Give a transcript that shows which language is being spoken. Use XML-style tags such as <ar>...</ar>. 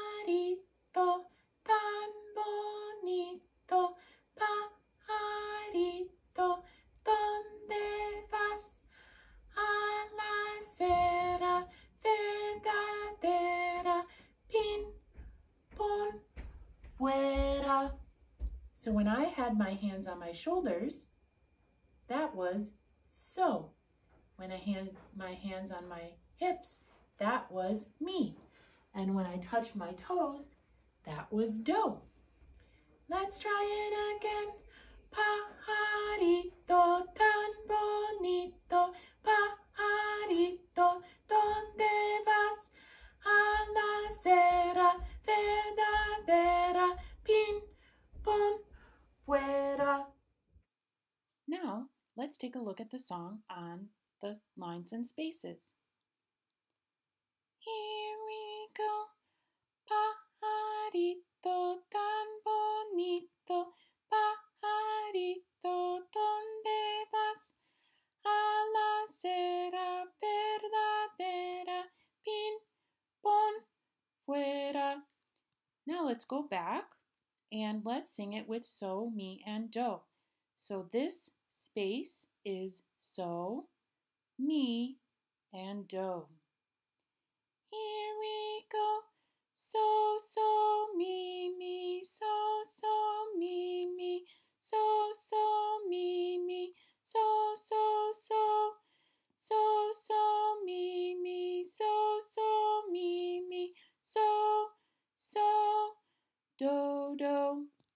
<es>Pajarito tan bonito, pajarito, ¿dónde vas? A la acera verdadera, pin, pon, fuera.</es> <en>So when I had my hands on my shoulders, that was so. When I had my hands on my hips, that was me. And when I touched my toes, that was do. Let's try it again.</en> <es>Pajarito tan bonito, pajarito, ¿dónde vas? A la acera verdadera, pin, pon, fuera.</es> <en>Now, let's take a look at the song on the lines and spaces. Here we go.</en> <es>Pajarito tan bonito, pajarito, ¿dónde vas? A la acera verdadera, pin, pon, fuera.</es> <en>Now let's go back and let's sing it with so, mi, and do. So this space is so, mi, and do. Here we go. So, so, mi, mi, so, so, mi, mi, so, so, mi, mi, so, so, so, so, so, mi, mi, so, so, mi, mi, so, so, do, do.</en>